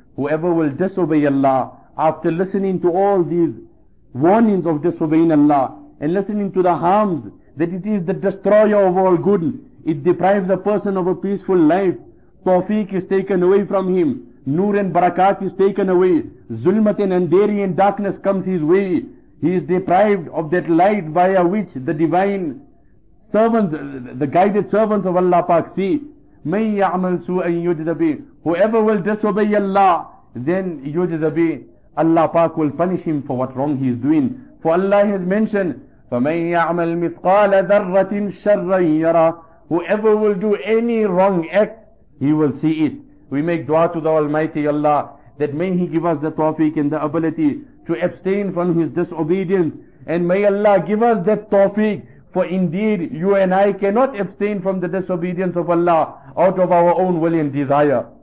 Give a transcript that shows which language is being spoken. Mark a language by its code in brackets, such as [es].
[en] Whoever will disobey Allah, after listening to all these warnings of disobeying Allah, and listening to the harms, that it is the destroyer of all good, it deprives a person of a peaceful life, tawfiq is taken away from him, noor and barakat is taken away, zulmat and andheri and darkness comes his way, he is deprived of that light via which the divine servants, the guided servants of Allah Pak see. [ar] مَنْ يَعْمَلْ سُوءًا يُجْزَ بِهِ. [en] Whoever will disobey Allah, then [ar] يُجْزَ بِهِ. [en] Allah Pak will punish him for what wrong he is doing. For Allah has mentioned, [ar] فَمَنْ يَعْمَلْ مِثْقَالَ ذَرَّةٍ شَرًّا يَرَى. [en] Whoever will do any wrong act, he will see it. We make dua to the Almighty Allah, that may He give us the tawfiq and the ability to abstain from His disobedience. And may Allah give us that tawfiq For indeed, you and I cannot abstain from the disobedience of Allah out of our own will and desire.